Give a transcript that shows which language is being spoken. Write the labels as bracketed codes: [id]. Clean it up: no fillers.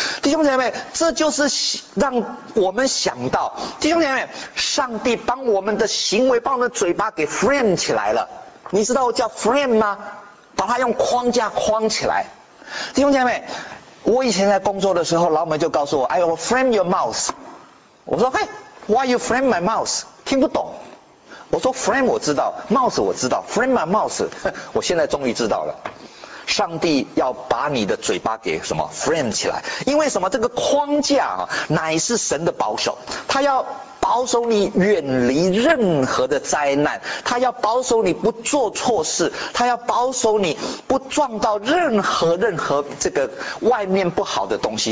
[zh] 弟兄姐妹，这就是让我们想到，弟兄姐妹，上帝帮我们的行为，把我们的嘴巴给 frame 起来了。你知道我叫 frame 吗？把它用框架框起来。弟兄姐妹，我以前在工作的时候，老板就告诉我 ， [en] I will frame your mouth。 [zh] 我说，嘿 [en] ，Why you frame my mouth？ [zh] 听不懂。我说 frame 我知道 ，mouth 我知道 ， [en] frame my mouth， [zh] 我现在终于知道了。上帝要把你的嘴巴给什么 frame 起来，因为什么？这个框架啊，乃是神的保守，他要保守你远离任何的灾难，他要保守你不做错事，他要保守你不撞到任何这个外面不好的东西。